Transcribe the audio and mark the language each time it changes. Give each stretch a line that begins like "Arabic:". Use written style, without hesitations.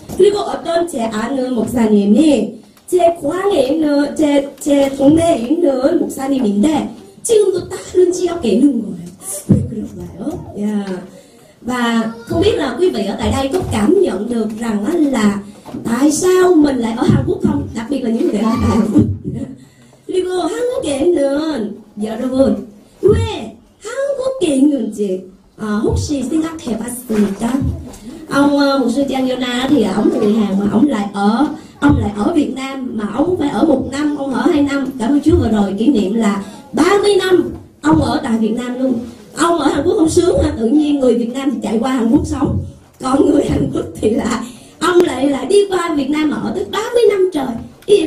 Korean: 그리고 어떤 제 아는 목사님이 제 고향에 있는 제 동네에 있는 목사님인데 지금도 다른 지역에 있는 거예요. 왜 그런가요?
Vietnamese: 야, và không biết là quý vị ở tại đây có cảm nhận được rằng là tại sao mình lại ở Hàn Quốc không? Đặc biệt là những người ở Hàn Quốc.
Korean: 그리고 한국에 있는 여러분 왜 한국에 있는지. 혹시 생각해봤습니까?
Vietnamese: ông mục sư Giang Yona thì ông người Hàn mà ông lại ở Việt Nam mà ông phải ở một năm, ông ở hai năm. Cảm ơn Chúa vừa rồi kỷ niệm là 30 năm ông ở tại Việt Nam luôn. Ông ở Hàn Quốc không sướng mà tự nhiên người Việt Nam thì chạy qua Hàn Quốc sống, còn người Hàn Quốc thì là ông lại đi qua Việt Nam mà ở tới 30 năm trời.